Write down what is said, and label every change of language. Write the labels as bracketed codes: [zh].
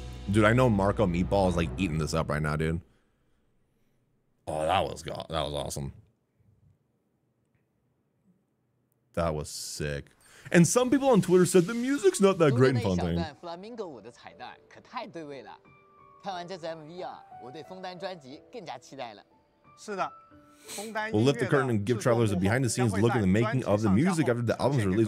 [en] Dude, I know Marco Meatball is like eating this up right now, dude. Oh, that was awesome. That was sick. And some people on Twitter said the music's not that great in Fontaine. Flamingo [zh] 我的彩蛋可太对味了。看完这支MV啊，我对枫丹专辑更加期待了。是的，枫丹音乐的制作人。 [en] We'll lift the curtain and give travelers a behind-the-scenes look at the making of the music after the album's release.